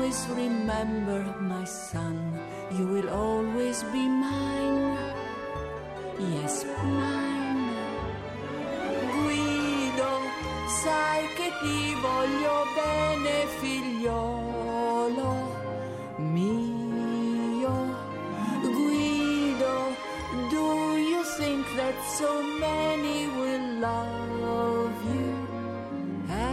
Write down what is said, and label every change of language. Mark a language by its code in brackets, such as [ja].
[en] Remember, my son, you will always be mine. Yes, mine. [it] Guido, sai che ti voglio bene, figliolo mio. [en] Guido, do you think that so many will love you?